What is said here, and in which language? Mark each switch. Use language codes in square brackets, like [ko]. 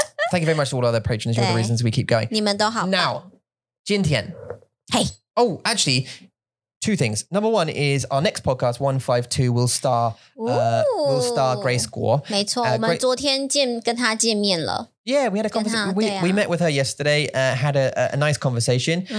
[en] Thank you very much to all other patrons. You're the reasons we keep going. [zh] 你们都好棒。 [en] Now, [zh] 今天. [en] Hey. Oh, actually, two things. Number one is our next podcast, 152, will star Grace Guo. [zh] 没错,我们昨天跟她见面了。 [en] Yeah, we had a conversation. We met with her yesterday, had a nice conversation.